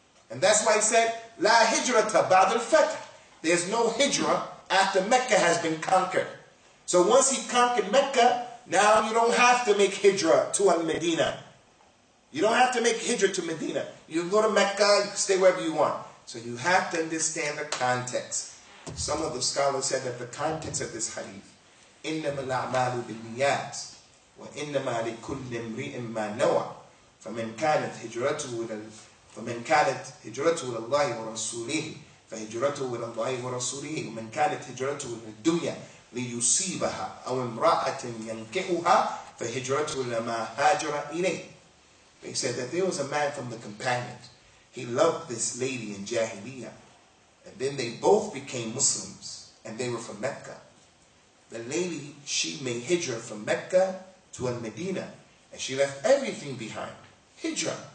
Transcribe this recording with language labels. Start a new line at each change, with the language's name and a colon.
English: And that's why he said,
Arabic: La hijrata ba'd al-fath.
English: There's no hijrah after Mecca has been conquered. So once he conquered Mecca, now you don't have to make hijrah to Al-Medina. You don't have to make hijrah to Medina. You go to Mecca, you can stay wherever you want. So you have to understand the context. Some of the scholars said that the context of this hadith,
Arabic: إِنَّمَا الْأَعْمَالُ بِالنِّيَّاتِ وَإِنَّمَا لِكُلِّ امْرِئٍ مَا نَوَى فَمَنْ كَانَتْ هِجْرَتُهُ إِلَى فمن كانت هجرته الى الله ورسوله فهجرته الى الله ورسوله ومن كانت هجرته الى الدنيا ليصيبها او امراه ينكحها فهجرته الى ما هاجر اليه.
English: They said that there was a man from the companions. He loved this lady in Jahiliyyah. And then they both became Muslims and they were from Mecca. The lady, she made hijra from Mecca to Al-Medina and she left everything behind. Hijra.